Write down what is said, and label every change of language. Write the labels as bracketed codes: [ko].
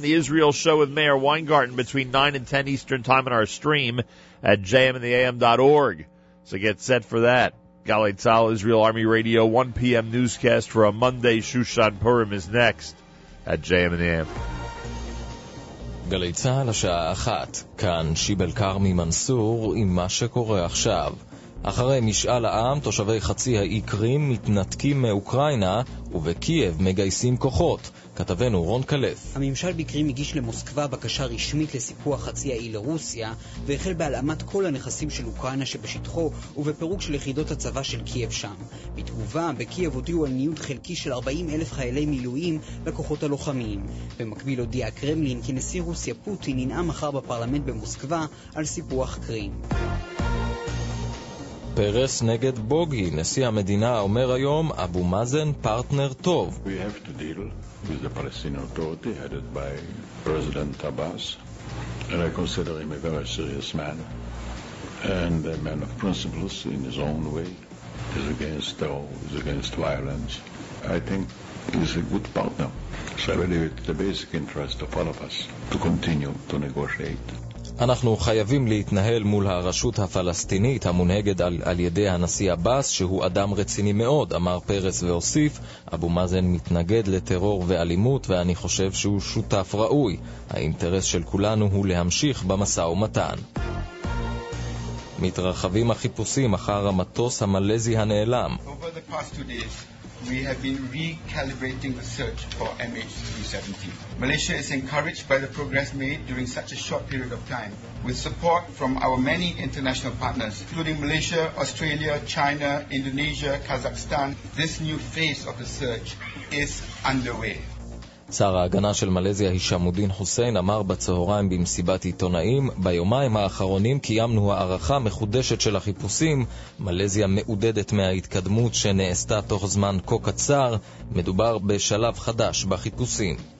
[en] The Israel Show with Mayor Weingarten between 9 and 10 Eastern Time on our stream at jmintheam.org. So get set for that. Galei Tzahal, Israel Army Radio, 1 p.m. newscast for a Monday Shushan Purim is next at JM in the AM. [he] גלי צהל השעה אחת, כאן שיבל קרמי מנסור עם מה שקורה עכשיו. אחרי משאל העם, תושבי חצי האי קרים מתנתקים מאוקראינה ובקייב מגייסים כוחות. כתבנו רון קלף. הממשל בקרים הגיש למוסקבה בקשה רשמית לסיפוח חצי האי לרוסיה והחל בהלאמת כל הנכסים של אוקראינה שבשטחו ובפירוק של יחידות הצבא של קייב שם. בתגובה, בקייב הודיעו על ניוד חלקי של 40 אלף חיילי מילואים לכוחות הלוחמים. במקביל הודיע הקרמלין כי נשיא רוסיה פוטין ינאם מחר בפרלמנט במוסקבה על סיפוח קרים. פרס נגד בוגי, נשיא המדינה, אומר היום, אבו מאזן פרטנר טוב. [en] We have to deal with the Palestinian Authority headed by President Abbas. And I consider him a very serious man. And a man of principles in his own way. He's against terror, he's against violence. I think he's a good partner. So I believe it's the basic interest of all of us to continue to negotiate. [he] אנחנו חייבים להתנהל מול הרשות הפלסטינית המונהגת על ידי הנשיא אבאס, שהוא אדם רציני מאוד, אמר פרס והוסיף, אבו מאזן מתנגד לטרור ואלימות ואני חושב שהוא שותף ראוי. האינטרס של כולנו הוא להמשיך במסע ומתן. מתרחבים החיפושים אחר המטוס המלזי הנעלם. [en] Over the past two days, We have been recalibrating the search for MH370. Malaysia is encouraged by the progress made during such a short period of time, with support from our many international partners, including Malaysia, Australia, China, Indonesia, Kazakhstan. This new phase of the search is underway. [he] שר ההגנה של מלזיה הישמודין חוסיין אמר בצהריים במסיבת עיתונאים, ביומיים האחרונים קיימנו הערכה מחודשת של החיפושים, מלזיה מעודדת מההתקדמות שנעשתה תוך זמן כה קצר, מדובר בשלב חדש בחיפושים.